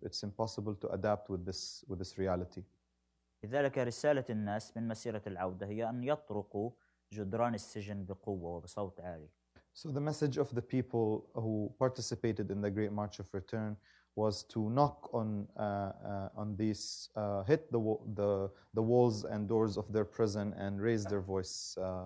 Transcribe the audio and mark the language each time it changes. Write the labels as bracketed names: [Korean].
[English] It's impossible to adapt with this reality. [Arabic] لذلك رسالة الناس من مسيرة العودة هي أن يطرقوا جدران السجن بقوة وبصوت عالي. [English] So the message of the people who participated in the Great March of Return was to knock on these, hit the walls and doors of their prison and raise their voice.